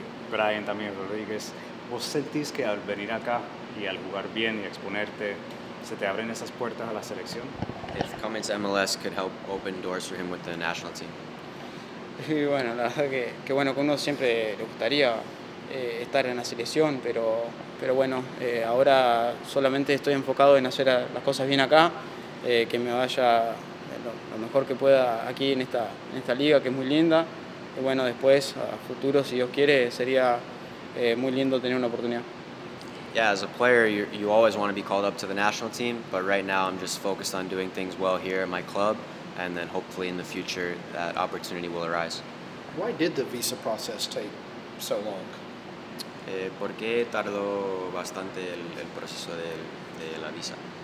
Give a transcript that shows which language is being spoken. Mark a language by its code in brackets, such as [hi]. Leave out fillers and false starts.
[es] Brian también, Rodríguez, ¿vos sentís que al venir acá y al jugar bien y exponerte, se te abren esas puertas a la selección? [en] If coming to MLS could help open doors for him with the national team. [es] Y bueno, la verdad que bueno, que uno siempre le gustaría estar en la selección, pero bueno, ahora solamente estoy enfocado en hacer las cosas bien acá, que me vaya lo mejor que pueda aquí en esta liga, que es muy linda. Y bueno, después, a futuro, si Dios quiere, sería muy lindo tener una oportunidad. [en] Yeah, as a player, you always want to be called up to the national team, but right now I'm just focused on doing things well here at my club, and then hopefully in the future that opportunity will arise. Why did the visa process take so long? [es] ¿Por qué tardó bastante el proceso de la visa?